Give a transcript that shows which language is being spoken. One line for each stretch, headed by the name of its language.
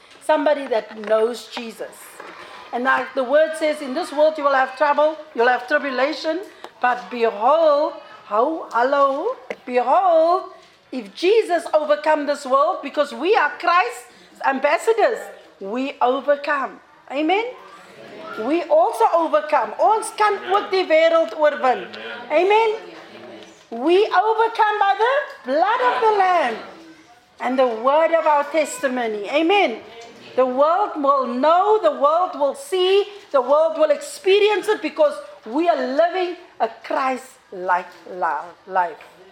English: Somebody that knows Jesus. And like the word says, in this world you will have trouble, you'll have tribulation, but behold, behold, if Jesus overcome this world, because we are Christ's ambassadors, we overcome. Amen? Amen. We also overcome.
Afrikaans: Ons kan ook die wêreld oorwin.
English: Amen? We overcome by the blood of the Lamb and the word of our testimony. Amen? The world will know, the world will see, the world will experience it because we are living a Christ-like life.